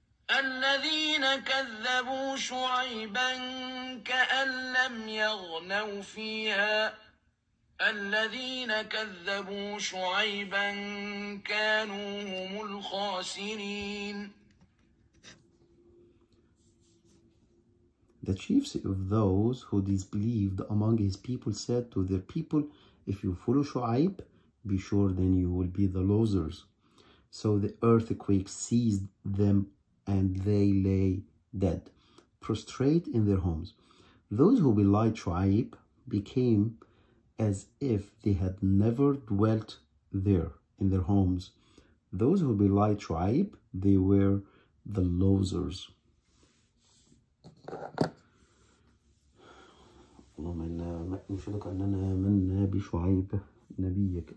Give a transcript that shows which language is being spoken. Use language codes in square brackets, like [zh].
[ar] الذين كذبوا شعيبا كأن لم يغنوا فيها, الذين كذبوا شعيبا كانوا هم الخاسرين. [en] The chiefs of those who disbelieved among his people said to their people, if you follow Shu'aib, be sure then you will be the losers. So the earthquake seized them and they lay dead, prostrate in their homes. Those who belied Shu'aib became as if they had never dwelt there in their homes. Those who belied Shu'aib, they were the losers. [ar] اللهم إنا نشهدك أننا آمنا بشعيب نبيك.